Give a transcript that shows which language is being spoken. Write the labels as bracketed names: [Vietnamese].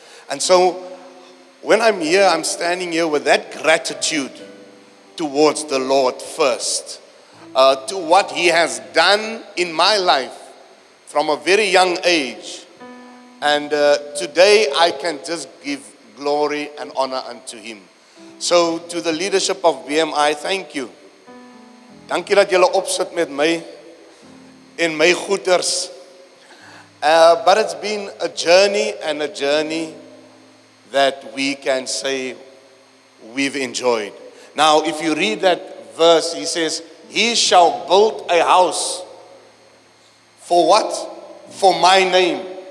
[English] And so when I'm here, I'm standing here with that gratitude towards the Lord first, to what He has done in my life from a very young age. And today I can just give glory and honor unto Him. So to the leadership of BMI, thank you. [Afrikaans] Dankie dat julle opsit met my en my goeders. [English] But it's been a journey and a journey that we can say we've enjoyed. Now, if you read that verse, he says, he shall build a house for what? For my name.